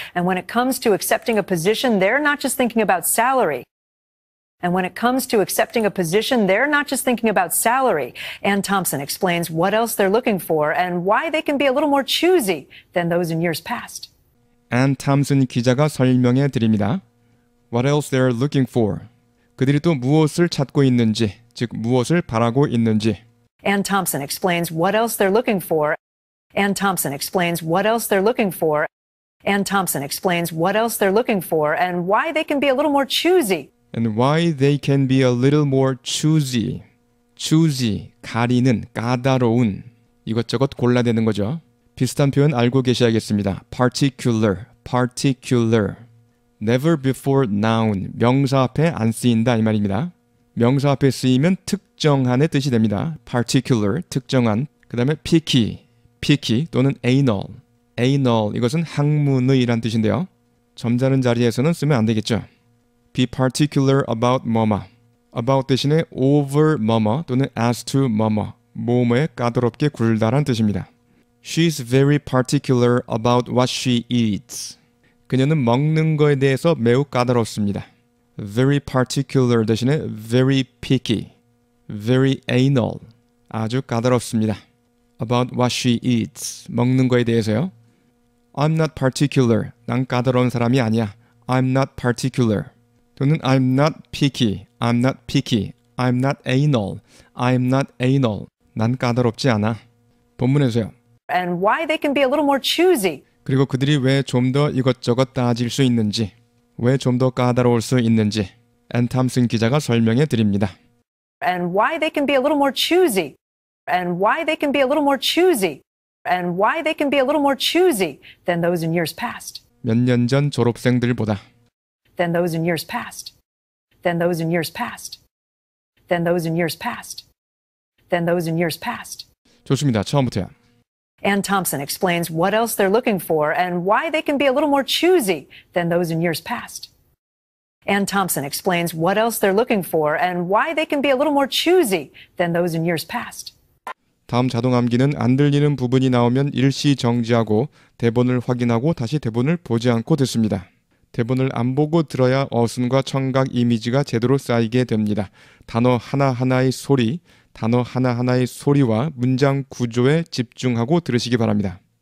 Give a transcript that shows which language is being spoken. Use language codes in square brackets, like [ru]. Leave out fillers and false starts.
[en] And when it comes to accepting a position, they're not just thinking about salary. And when it comes to accepting a position, they're not just thinking about salary. Ann Thompson explains what else they're looking for and why they can be a little more choosy than those in years past. Ann Thompson [ko] 기자가 설명해 드립니다. [en] What else they're looking for? [ko] 그들이 또 무엇을 찾고 있는지, 즉 무엇을 바라고 있는지. [en] Ann Thompson explains what else they're looking for. Ann Thompson explains what else they're looking for. Ann Thompson explains what else they're looking for and why they can be a little more choosy. And why they can be a little more choosy. [ko] Choosy, 가리는, 까다로운, 이것저것 골라내는 거죠. 비슷한 표현 알고 계셔야겠습니다. Particular, particular. [en] Never before noun, [ko] 명사 앞에 안 쓰인다 이 말입니다. 명사 앞에 쓰이면 특정한의 뜻이 됩니다. Particular, 특정한. 그 다음에 picky, picky 또는 anal. Anal, 이것은 학문의란 뜻인데요. 점잖은 자리에서는 쓰면 안 되겠죠. [en] Be particular about [ko] 뭐뭐. About 대신에 over 뭐뭐 또는 as to 뭐뭐. 뭐뭐에 까다롭게 굴다란 뜻입니다. [en] She's very particular about what she eats. [ko] 그녀는 먹는 거에 대해서 매우 까다롭습니다. [en] Very particular 대신에 very picky. Very anal. [ko] 아주 까다롭습니다. [en] About what she eats. [ko] 먹는 거에 대해서요. [en] I'm not particular. [ko] 난 까다로운 사람이 아니야. [en] I'm not particular. 또는 I'm not picky, I'm not picky, I'm not anal, I'm not anal. [ko] 난 까다롭지 않아. 본문에서요. [en] And why they can be a little more choosy. [ko] 그리고 그들이 왜 좀 더 이것저것 따질 수 있는지, 왜 좀 더 까다로울 수 있는지, 앤 탐슨 기자가 설명해 드립니다. [en] And why they can be a little more choosy. And why they can be a little more choosy. And why they can be a little more choosy than those in years past. [ko] 몇 년 전 졸업생들보다. [en] Than those in years past. Than those in years past. Than those in years past. Than those in years past. [ko] 좋습니다. 처음부터야. [en] Ann Thompson explains what else they're looking for and why they can be a little more choosy than those in years past. Ann Thompson explains what else they're looking for and why they can be a little more choosy than those in years past. [ko] 다음 자동 암기는 안 들리는 부분이 나오면 일시 정지하고 대본을 확인하고 다시 대본을 보지 않고 듣습니다. 대본을 안 보고 들어야 어순과 청각 이미지가 제대로 쌓이게 됩니다. 단어 하나하나의 소리, 단어 하나하나의 소리와 문장 구조에 집중하고 들으시기 바랍니다.